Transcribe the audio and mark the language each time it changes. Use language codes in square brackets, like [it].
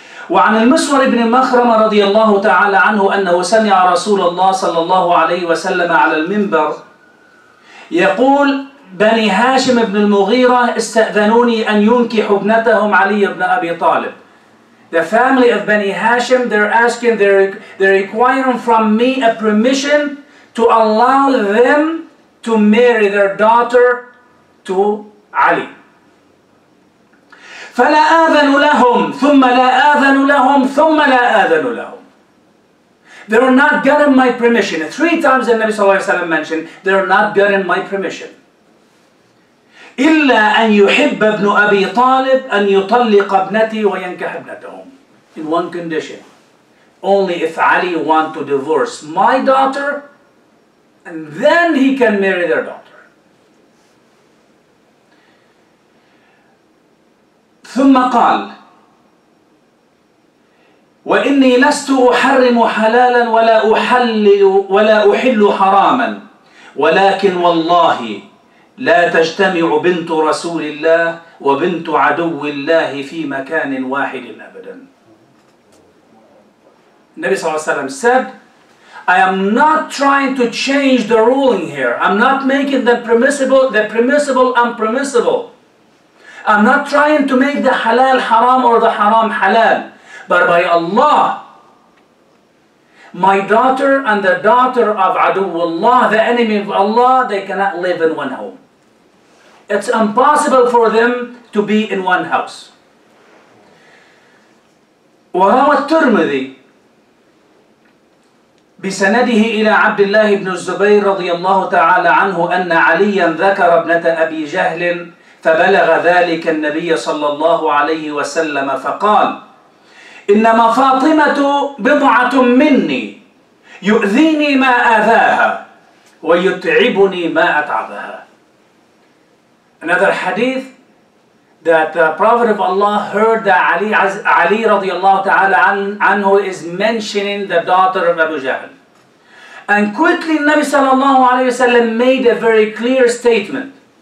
[ar] وعن المسور بن مخرم رضي الله تعالى عنه أنه سمع رسول الله صلى الله عليه وسلم على المنبر يقول بني هاشم بن المغيرة استأذنوني أن ينكح ابنتهم علي بن أبي طالب. [en] The family of Bani Hashim, they're asking, they're requiring from me a permission to allow them to marry their daughter to Ali. [ar] فلا آذن لهم ثم لا آذن لهم ثم لا آذن لهم. [en] They're not getting my permission. 3 times the Nabi صلى الله عليه وسلم mentioned, they're not getting my permission. [ar] إلا أن يحب ابن أبي طالب أن يطلق ابنتي وينكح ابنتهم. [en] In one condition. Only if Ali want to divorce my daughter, and then he can marry their daughter. [ar] ثم قال وإني لست أحرم حلالا ولا أحل حراما ولكن والله لا تجتمع بنت رسول الله وبنت عدو الله في مكان واحد أبدا. [en] النبي صلى الله عليه وسلم said, I am not trying to change the ruling here. I'm not making the permissible unpermissible. I'm not trying to make the halal haram or the haram halal. But by Allah, my daughter and the daughter of Aduwullah, the enemy of Allah, they cannot live in one home. It's impossible for them to be in one house. [ar] وروى الترمذي بسنده إلى عبد الله بن الزبير رضي الله تعالى عنه أن عليا ذكر ابنة أبي جهل فبلغ ذلك النبي صلى الله عليه وسلم فقال إنما فاطمة بضعة مني يؤذيني ما آذاها ويتعبني ما أتعبها. [en] Another hadith that the Prophet of Allah heard that Ali رضي الله تعالى عنه is mentioning the daughter of Abu Jahl. And quickly Nabi صلى الله عليه وسلم made a very clear statement.